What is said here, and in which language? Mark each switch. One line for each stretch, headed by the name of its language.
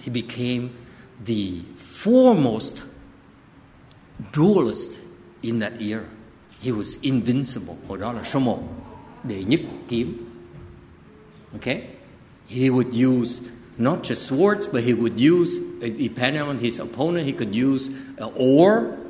English: He became the foremost duelist in that era. He was invincible.
Vietnamese: Hồi đó là số một, đệ nhất kiếm.
English: Okay? He would use not just swords, but he would use, depending on his opponent, he could use an oar.